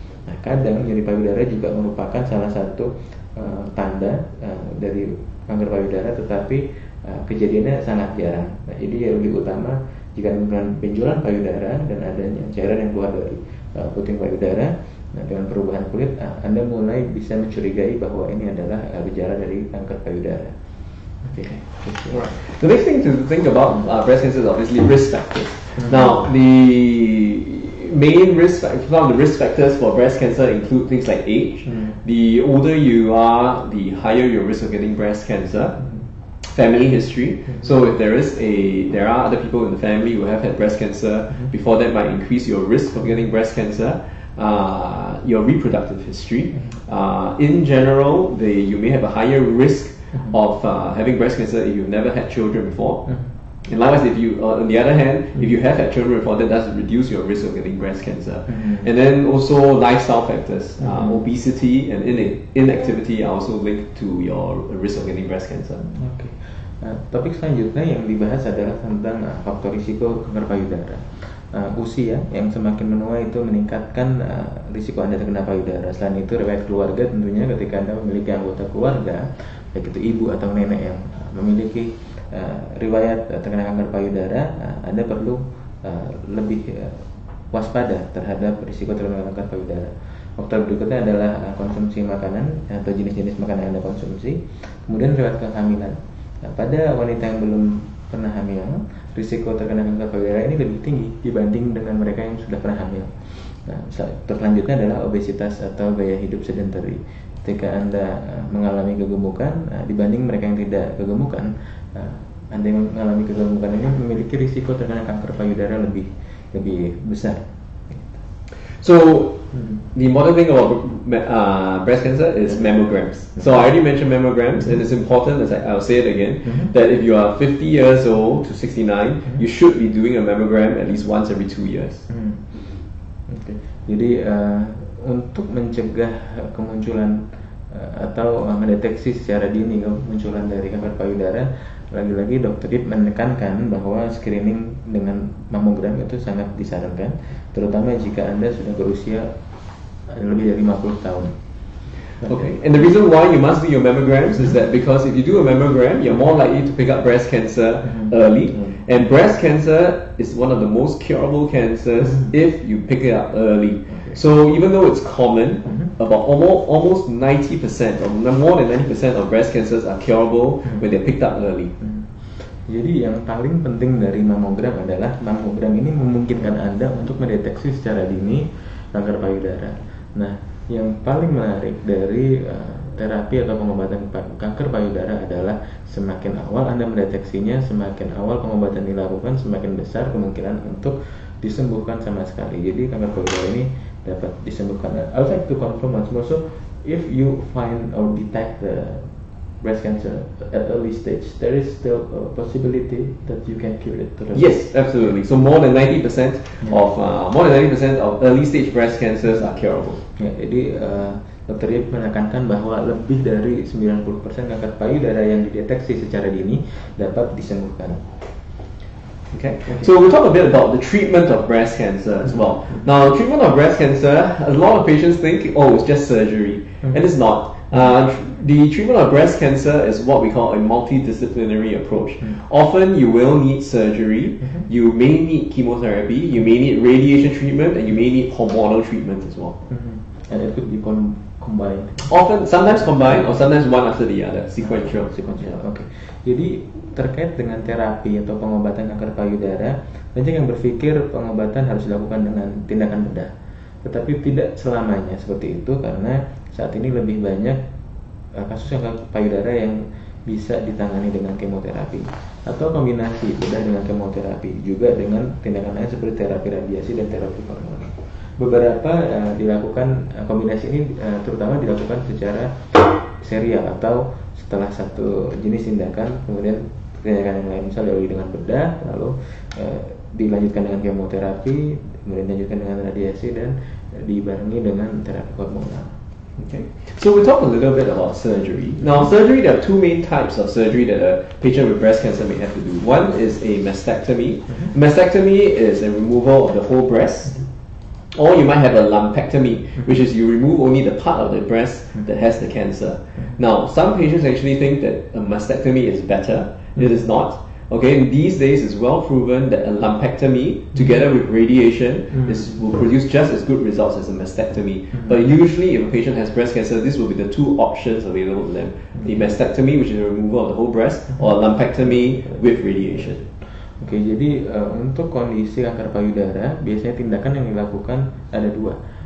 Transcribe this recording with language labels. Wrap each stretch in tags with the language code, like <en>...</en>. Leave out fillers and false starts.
<id>Nah, kadang nyeri payudara juga merupakan salah satu tanda dari kanker payudara, tetapi kejadiannya sangat jarang. Nah, jadi yang lebih utama jika menemukan benjolan payudara dan adanya cairan yang keluar dari puting payudara, nah, dengan perubahan kulit, Anda mulai bisa mencurigai bahwa ini adalah gejala dari kanker payudara.</id> <en>Okay. Right. The next thing to think about breast cancer is obviously risk factors. Mm-hmm. Now, the main risk factors, some of the risk factors for breast cancer include things like age. Mm-hmm. The older you are, the higher your risk of getting breast cancer. Mm-hmm. family history. Mm-hmm. So if there is a, there are other people in the family who have had breast cancer, mm-hmm. before that might increase your risk of getting breast cancer. Your reproductive history. In general, you may have a higher risk mm-hmm. of having breast cancer if you've never had children before. Mm-hmm. And likewise, if you, on the other hand, mm-hmm. if you have had children before, that does reduce your risk of getting breast cancer. Mm-hmm. And then also lifestyle factors, mm-hmm. Obesity and inactivity are also linked to your risk of getting breast cancer. Okay.</en> <id>Topik selanjutnya yang dibahas adalah tentang faktor risiko kanker payudara. Usia yang semakin menua itu meningkatkan risiko Anda terkena payudara. Selain itu, riwayat keluarga tentunya ketika Anda memiliki anggota keluarga, baik itu ibu atau nenek yang memiliki riwayat terkena kanker payudara, Anda perlu lebih waspada terhadap risiko terkena kanker payudara. Faktor berikutnya adalah konsumsi makanan atau jenis-jenis makanan yang Anda konsumsi. Kemudian riwayat kehamilan. Pada wanita yang belum pernah hamil, risiko terkena kanker payudara ini lebih tinggi dibanding dengan mereka yang sudah pernah hamil. Nah, terlanjutnya adalah obesitas atau gaya hidup sedentary. Ketika Anda mengalami kegemukan dibanding mereka yang tidak kegemukan, Anda yang mengalami kegemukan ini memiliki risiko terkena kanker payudara lebih besar.</id> <en>So, the important thing about breast cancer is mammograms. So I already mentioned mammograms, mm-hmm. and it's important, as I'll say it again, mm-hmm. that if you are 50 years old to 69, mm-hmm. you should be doing a mammogram at least once every 2 years. Mm-hmm. Okay.</en> <id>Jadi untuk mencegah kemunculan atau mendeteksi secara dini kemunculan dari kanker payudara, lagi-lagi Dr. Deep menekankan bahwa screening dengan mamogram itu sangat disarankan, terutama jika Anda sudah berusia lebih dari 50 tahun.</id> <en>Okay, and the reason why you must do your mammograms is that because if you do a mammogram, you're more likely to pick up breast cancer early. And breast cancer is one of the most curable cancers if you pick it up early. So even though it's common, about almost 90% or more than 90% of breast cancers are curable when they're picked up early.</en> <id>Jadi yang paling penting dari mamogram adalah mamogram ini memungkinkan Anda untuk mendeteksi secara dini kanker payudara. Nah, yang paling menarik dari terapi atau pengobatan kanker payudara adalah semakin awal Anda mendeteksinya, semakin awal pengobatan dilakukan, semakin besar kemungkinan untuk disembuhkan sama sekali. Jadi kanker payudara ini dapat disembuhkan.</id> <en>I would like to confirm once more. So, if you find or detect the breast cancer at early stage, there is still a possibility that you can cure it. Yes, absolutely. So more than 90% of early stage breast cancers are curable.</en> <id>Ya, jadi Dr. Yip menekankan bahwa lebih dari 90% kanker payudara yang dideteksi secara dini dapat disembuhkan.</id> <en>Okay. So we'll talk a bit about the treatment of breast cancer as well. Now, the treatment of breast cancer, a lot of patients think, oh, it's just surgery. And it's not. The treatment of breast cancer is what we call a multidisciplinary approach. Often, you will need surgery. You may need chemotherapy. You may need radiation treatment. And you may need hormonal treatment as well. And it could be combined. Often, sometimes combined or sometimes one after the other. Sequential. Okay.</en> <id>Jadi terkait dengan terapi atau pengobatan kanker payudara, banyak yang berpikir pengobatan harus dilakukan dengan tindakan bedah. Tetapi tidak selamanya seperti itu, karena saat ini lebih banyak kasus kanker payudara yang bisa ditangani dengan kemoterapi atau kombinasi bedah dengan kemoterapi, juga dengan tindakan lain seperti terapi radiasi dan terapi hormon. Beberapa dilakukan kombinasi ini terutama dilakukan secara serial atau setelah satu jenis tindakan, kemudian tindakan yang lain, misalnya diawali dengan bedah, lalu dilanjutkan dengan kemoterapi, kemudian dilanjutkan dengan radiasi, dan dibarengi dengan terapi hormonal.</id> <en>Okay, so we talk a little bit about surgery. Now, surgery, there are two main types of surgery that a patient with breast cancer may have to do. One is a mastectomy. Mm-hmm. Mastectomy is a removal of the whole breast. Or you might have a lumpectomy, which is you remove only the part of the breast that has the cancer. Now, some patients actually think that a mastectomy is better. It is not. Okay, and these days it's well proven that a lumpectomy together with radiation will produce just as good results as a mastectomy. But usually if a patient has breast cancer, this will be the two options available to them. The mastectomy, which is a removal of the whole breast, or a lumpectomy with radiation.</en> <id>Oke, jadi untuk kondisi kanker payudara, biasanya tindakan yang dilakukan ada dua.</id>